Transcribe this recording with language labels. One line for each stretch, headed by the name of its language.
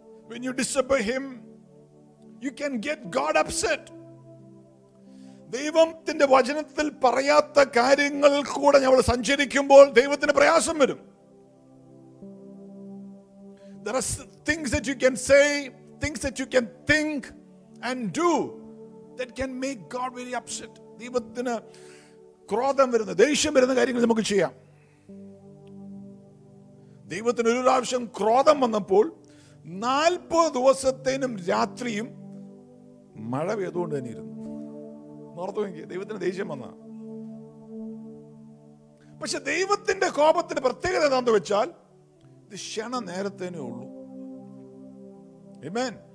English: When you disobey him, you can get God upset.
Malayalam: ദൈവത്തിന്റെ വചനത്തിൽ പറയാത്ത കാര്യങ്ങൾ കൂടെ നമ്മൾ സഞ്ചരിക്കുമ്പോൾ ദൈവത്തിന് പ്രയാസം വരും.
English: There are things that you can say, things that you can think and do that can make God very upset.
Malayalam: ദൈവത്തിന് ക്രോധം വരുന്ന, ദേഷ്യം വരുന്ന കാര്യങ്ങൾ നമുക്ക് ചെയ്യാം. ദൈവത്തിന് ഒരു പ്രാവശ്യം ക്രോധം വന്നപ്പോൾ 40 ദിവസത്തേനും രാത്രിയും മഴ പെയ്തുകൊണ്ട് തന്നെ ഇരുന്നു. ദൈവത്തിന്റെ ദേഷ്യം വന്ന, പക്ഷെ ദൈവത്തിന്റെ കോപത്തിന്റെ പ്രത്യേകത എന്താന്ന് വെച്ചാൽ ഇത് ക്ഷണ നേരത്തേനേ ഉള്ളൂ. ആമേൻ.